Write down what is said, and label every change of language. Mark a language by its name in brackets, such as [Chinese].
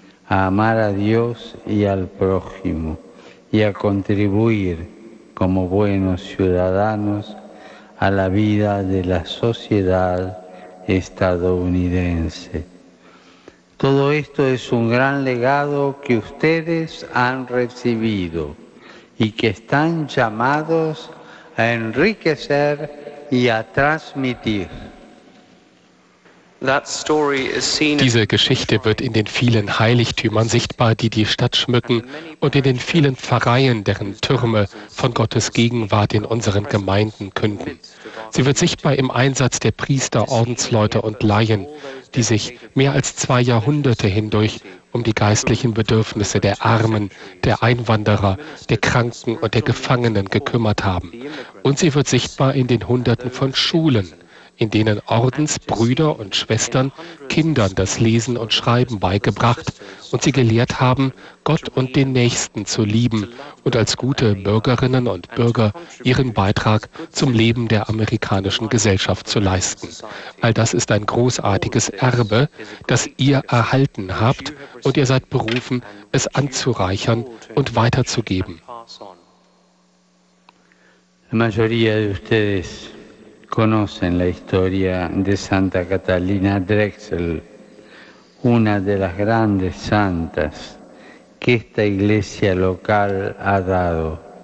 [Spanish] a amar a Dios y al prójimo y a contribuir como buenos ciudadanos a la vida de la sociedad estadounidense. Todo esto es un gran legado que ustedes han recibido y que están llamados a enriquecer y a transmitir. [German] Diese Geschichte wird in den vielen Heiligtümern sichtbar, die die Stadt schmücken, und in den vielen Pfarreien, deren Türme von Gottes Gegenwart in unseren Gemeinden künden. Sie wird sichtbar im Einsatz der Priester, Ordensleute und Laien, die sich mehr als zwei Jahrhunderte hindurch um die geistlichen Bedürfnisse der Armen, der Einwanderer, der Kranken und der Gefangenen gekümmert haben. Und sie wird sichtbar in den Hunderten von Schulen, in denen Ordensbrüder und Schwestern Kindern das Lesen und Schreiben beigebracht und sie gelehrt haben, Gott und den Nächsten zu lieben und als gute Bürgerinnen und Bürger ihren Beitrag zum Leben der amerikanischen Gesellschaft zu leisten. All das ist ein großartiges Erbe, das ihr erhalten habt, und ihr seid berufen, es anzureichern und weiterzugeben. [Spanish] La mayoría de ustedes conocen la historia de Santa Catalina Drexel, una de las grandes santas que esta iglesia local ha dado.